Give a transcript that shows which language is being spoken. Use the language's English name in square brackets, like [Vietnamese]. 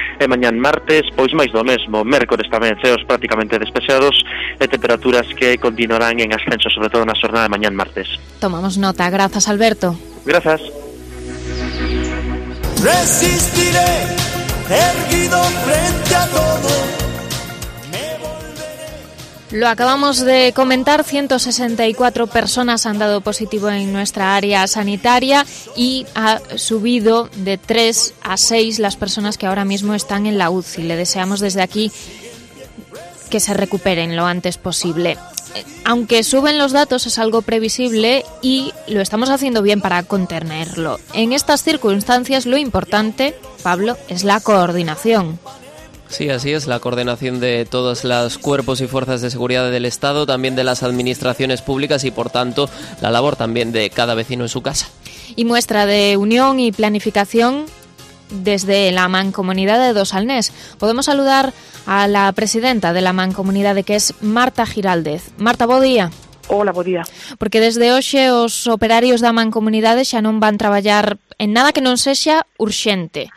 [Galician] E mañán martes, pois máis do mesmo. Mércores tamén ceos prácticamente despexados e temperaturas que continuarán en ascenso, sobre todo na xornada de mañán martes. Tomamos nota. Grazas, Alberto. Grazas. [Spanish] Resistiré, erguido frente a todo, me volveré. Lo acabamos de comentar, 164 personas han dado positivo en nuestra área sanitaria y ha subido de 3 a 6 las personas que ahora mismo están en la UCI. Le deseamos desde aquí que se recuperen lo antes posible. Aunque suben los datos, es algo previsible y lo estamos haciendo bien para contenerlo. En estas circunstancias, lo importante, Pablo, es la coordinación. Sí, así es, la coordinación de todos los cuerpos y fuerzas de seguridad del Estado, también de las administraciones públicas y, por tanto, la labor también de cada vecino en su casa. Y muestra de unión y planificación desde la Mancomunidad de Dosalnés. Podemos saludar a la presidenta de la Mancomunidad, que es Marta Giraldez. [Galician] Marta, bo día. Hola, bo día. Porque desde hoxe os operarios da Mancomunidade xa non van traballar en nada que non sexa urxente.